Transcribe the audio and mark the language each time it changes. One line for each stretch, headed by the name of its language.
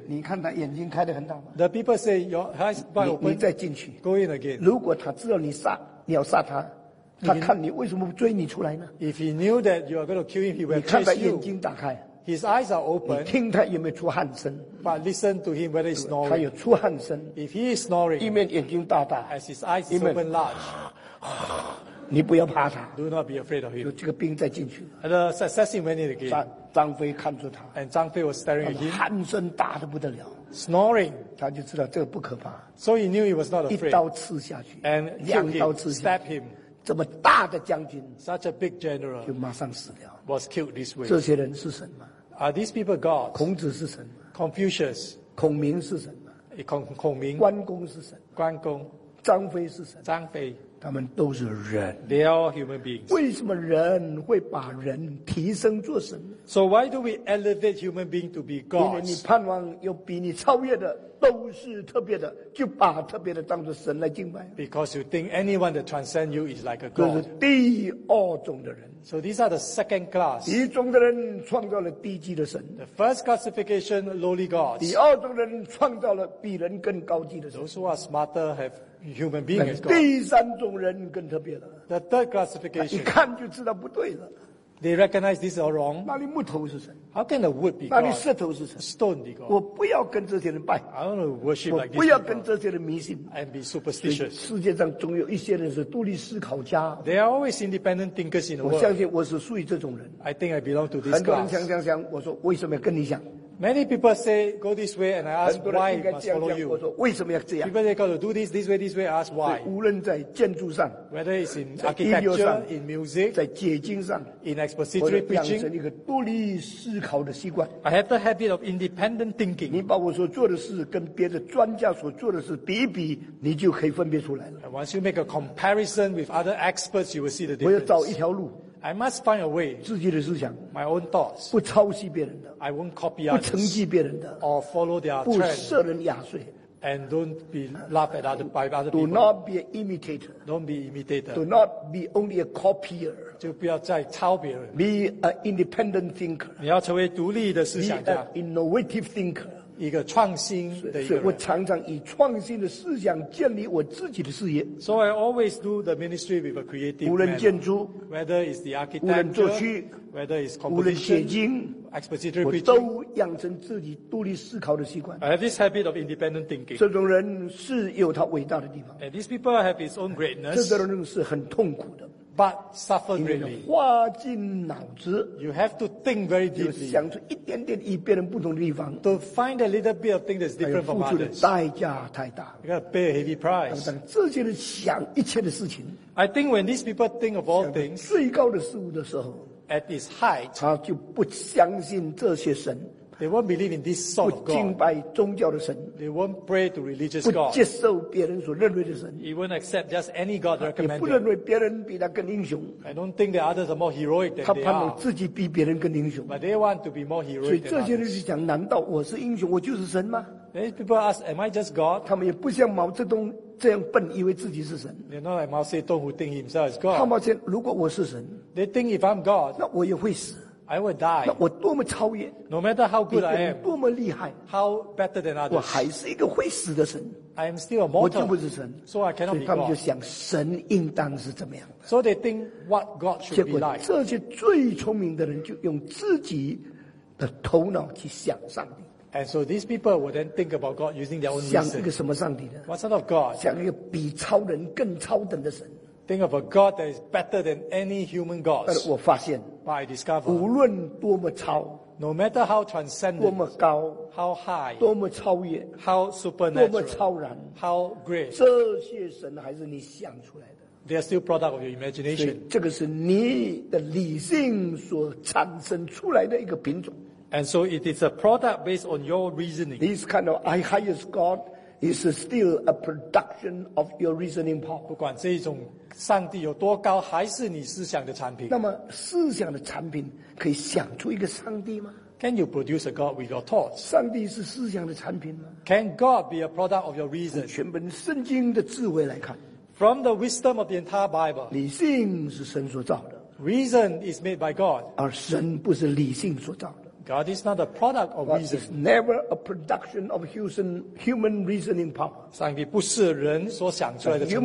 Chinese: 你看他眼睛开得很大吗
English: ？The people say your eyes wide open.
Chinese: 你再进去。
English: Go in again.
Chinese: 如果他知道你杀，你要杀他，他看你为什么追你出来呢
English: ？If he knew that you are going to kill him, he would chase you.
Chinese: 你看他眼睛打开。
English: His eyes are open.
Chinese: 你听他有没有出汗声
English: ？But listen to him whether he's snoring.
Chinese: 他有出汗声。
English: If he is snoring,
Chinese: 一面眼睛大大
English: ，as his eyes open large.
Chinese: 你不要怕他。
English: Do not be afraid of him.
Chinese: 就这个兵再进去。
English: And the assassin went in again.
Chinese: 张飞看住他。
English: And 张飞 was staring at him.
Chinese: 汗声大得不得了。
English: Snoring.
Chinese: 他就知道这个不可怕。
English: So he knew he was not afraid.
Chinese: 一刀刺下去。
English: And
Chinese: 两刀刺下去。
English: Stab him.
Chinese: 这么大的将军。
English: Such a big general.
Chinese: 就马上死掉。
English: Was killed this way.
Chinese: 这些人是神吗？
English: Are these people gods?
Chinese: 孔子是神吗
English: ？Confucius.
Chinese: 孔明是神吗？孔明。关公是神。关公。张飞是神。张飞。他们都是人。
English: They are all human beings.
Chinese: 为什么人会把人提升做神
English: ？So why do we elevate human being to be gods?
Chinese: 因为你盼望有比你超越的都是特别的，就把特别的当作神来敬拜。
English: Because you think anyone that transcends you is like a god.
Chinese: 这是第二种的人。
English: So these are the second class.
Chinese: 第一种的人创造了低级的神。
English: The first classification, lowly gods.
Chinese: 第二种的人创造了比人更高级的神。
English: Those who are smarter have human being as God.
Chinese: 第三种人更特别了。
English: The third classification.
Chinese: 一看就知道不对了。
English: They recognize this is all wrong.
Chinese: 那里木头是谁？
English: How can a wood be God?
Chinese: 那里石头是谁？
English: Stone be God.
Chinese: 我不要跟这些人拜。
English: I don't want to worship like this.
Chinese: 我不要跟这些人迷信。
English: And be superstitious.
Chinese: 世界上总有一些人是独立思考家。
English: They are always independent thinkers in the world.
Chinese: 我相信我是属于这种人。
English: I think I belong to this class.
Chinese: 很多人想想想，我说为什么要跟你讲？
English: Many people say go this way and I ask why you must follow you.
Chinese: 我说为什么要这样？
English: People say go to do this this way this way. I ask why.
Chinese: 无论在建筑上，
English: whether it's in architecture, in music,
Chinese: 在解经上，
English: in expository preaching,
Chinese: 或者养成一个独立思考的习惯。
English: I have the habit of independent thinking.
Chinese: 你把我所做的事跟别的专家所做的事比一比，你就可以分别出来了。
English: And once you make a comparison with other experts, you will see the difference.
Chinese: 我要找一条路。
English: I must find a way.
Chinese: 自己的思想，
English: my own thoughts.
Chinese: 不抄袭别人的，
English: I won't copy others.
Chinese: 不承继别人的，
English: or follow their trend.
Chinese: 不设人压岁，
English: and don't be laughed at by other people. Do not be an imitator. Don't be imitator. Do not be only a copier.
Chinese: 就不要再抄别人。
English: Be an independent thinker.
Chinese: 你要成为独立的思想家。
English: Be an innovative thinker.
Chinese: 一个创新的一个人。所以我常常以创新的思想建立我自己的事业。
English: So I always do the ministry with a creative mind.
Chinese: 无论建筑，
English: whether it's the architecture,
Chinese: 无论作曲，
English: whether it's composition,
Chinese: 无论写经，
English: expository preaching,
Chinese: 我都养成自己独立思考的习惯。
English: I have this habit of independent thinking.
Chinese: 这种人是有他伟大的地方。
English: And these people have his own greatness.
Chinese: 这种人是很痛苦的。
English: But suffer greatly.
Chinese: 因为花尽脑子，
English: you have to think very deeply.
Chinese: 就想出一点点与别人不同的地方，
English: to find a little bit of thing that's different from others.
Chinese: 付出的代价太大，
English: you gotta pay a heavy price.
Chinese: 等等，这些人想一切的事情，
English: I think when these people think of all things,
Chinese: 最高的事物的时候，
English: at its height,
Chinese: 他就不相信这些神。
English: They won't believe in this sort of God.
Chinese: 不敬拜宗教的神。
English: They won't pray to religious God.
Chinese: 不接受别人所认为的神。
English: He won't accept just any God recommended.
Chinese: 也不认为别人比他更英雄。
English: I don't think that others are more heroic than they are.
Chinese: 他盼望自己比别人更英雄。
English: But they want to be more heroic than others.
Chinese: 所以这些人是讲：难道我是英雄，我就是神吗？
English: These people ask, "Am I just God?"
Chinese: 他们也不像毛泽东这样笨，以为自己是神。
English: They're not like Mao Zedong who think himself is God.
Chinese: 他们说：如果我是神，
English: they think if I'm God,
Chinese: 那我也会死。
English: I will die.
Chinese: 那我多么超越，
English: no matter how good I am,
Chinese: 多么厉害，
English: how better than others,
Chinese: 我还是一个会死的神。
English: I am still a mortal.
Chinese: 我就不是神，
English: so I cannot be God.
Chinese: 所以他们就想神应当是怎么样。
English: So they think what God should be like.
Chinese: 结果这些最聪明的人就用自己的头脑去想上帝。
English: And so these people will then think about God using their own reason.
Chinese: 想一个什么上帝呢？
English: What sort of God?
Chinese: 想一个比超人更超等的神。
English: Think of a God that is better than any human gods.
Chinese: 但是我发现，
English: but I discover,
Chinese: 无论多么超，
English: no matter how transcendent,
Chinese: 多么高，
English: how high,
Chinese: 多么超越，
English: how supernatural,
Chinese: 多么超然，
English: how great,
Chinese: 这些神还是你想出来的。
English: They are still product of your imagination.
Chinese: 所以这个是你的理性所产生出来的一个品种。
English: And so it is a product based on your reasoning. This kind of highest God is still a production of your reasoning power.
Chinese: 不管这一种上帝有多高，还是你思想的产品。那么思想的产品可以想出一个上帝吗？
English: Can you produce a God with your thoughts?
Chinese: 上帝是思想的产品吗？
English: Can God be a product of your reason?
Chinese: 从全本圣经的智慧来看，
English: From the wisdom of the entire Bible,
Chinese: 理性是神所造的，
English: Reason is made by God,
Chinese: 而神不是理性所造的。
English: God is not a product of reason. God is never a production of human reasoning power.
Chinese: 上帝不是人所想出来的成